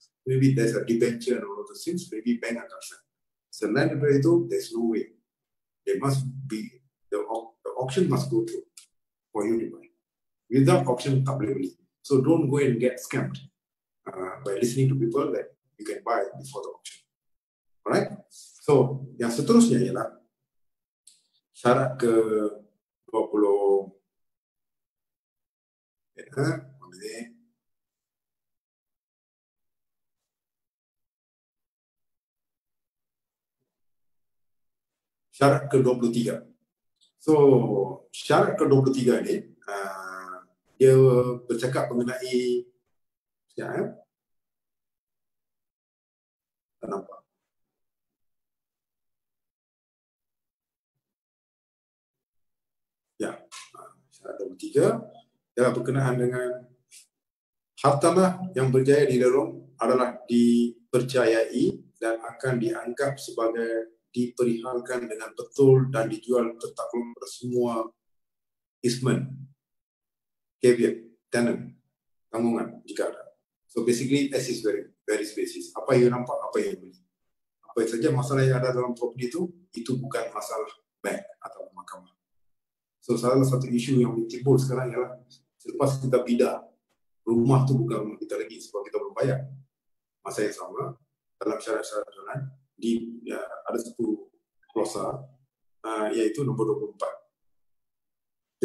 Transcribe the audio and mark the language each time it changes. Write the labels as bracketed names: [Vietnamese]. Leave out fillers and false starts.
[English] Maybe there's a debenture and all of those things. Maybe bank account sign. So land and value, there's no way. There must be the auction must go through for you to buy. Without auction, [Malay] tak boleh beli. [English] So don't go and get scammed by listening to people that you can buy before the auction. Alright. [Malay] So yang seterusnya ialah syarat ke 20. Syarat ke-23. So, So, syarat ke-23 ini, dia bercakap mengenai, sekejap ya, tak nampak. Ya, syarat ke-23, ialah berkenaan dengan hartanah yang berjaya di Lelong adalah dipercayai dan akan dianggap sebagai diperihalkan dengan betul dan dijual tertakluk kepada semua isman, caveat, tenant, tanggungan jika ada. [English] So basically, as is very, very basis. [Malay] Apa yang nampak, apa yang beli. Apa saja masalah yang ada dalam property itu, itu bukan masalah bank atau mahkamah. So salah satu isu yang timbul sekarang ialah selepas kita bida, rumah tu bukan rumah kita lagi sebab kita belum bayar. Masa yang sama, dalam syarat-syarat jalan, di ya, ada 10 klausa iaitu nombor 24.